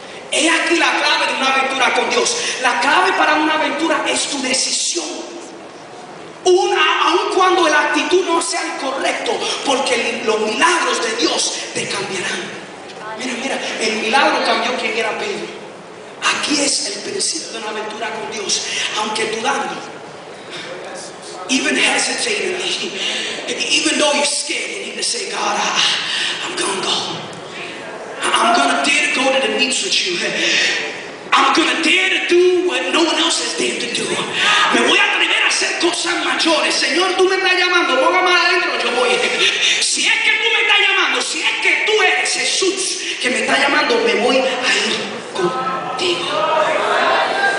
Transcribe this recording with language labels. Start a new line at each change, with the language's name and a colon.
Spanish: Es aquí la clave de una aventura con Dios. La clave para una aventura es tu decisión. Aun cuando la actitud no sea el correcto, porque los milagros de Dios te cambiarán. Mira, el milagro cambió quien era Pedro. Aquí es el principio de una aventura con Dios. Aunque dudando,
English: even hesitating, even though you're scared, you need to say, God, I'm gonna go. I'm gonna dare to go to the meets with you. I'm gonna dare to do what no one else has dared to do.
Spanish: Me voy a atrever a hacer cosas mayores. Señor, tú me estás llamando. Ponga más adentro, yo voy. Si es que tú me estás llamando, si es que tú eres Jesús que me está llamando, me voy a ir contigo.